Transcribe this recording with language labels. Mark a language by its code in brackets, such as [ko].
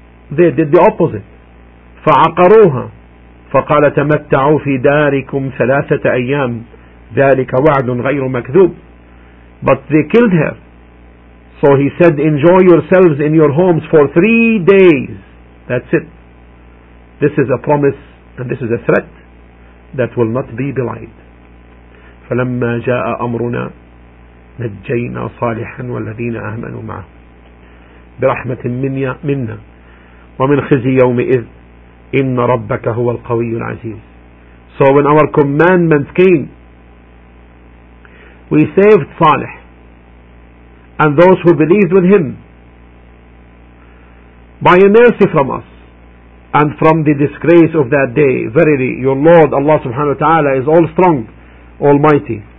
[en] They did the opposite. [ar] فَعَقَرُوهَا فَقَالَ تَمَتَّعُوا فِي دَارِكُمْ ثَلَاثَةَ أَيَّامٍ ذَلِكَ وَعْدٌ غَيْرُ مَكْذُوبٌ. [en] But they killed her. So he said, enjoy yourselves in your homes for 3 days. That's it. This is a promise and this is a threat that will not be belied. [ar] فلما جاء أمرنا نجينا صالحا والذين آمنوا معه برحمة منا ومن خزي يومئذ إن ربك هو القوي العزيز. [en] So when our commandments came, we saved Salih and those who believed with him by a mercy from us and from the disgrace of that day. Verily, your Lord Allah subhanahu wa ta'ala is all strong, almighty.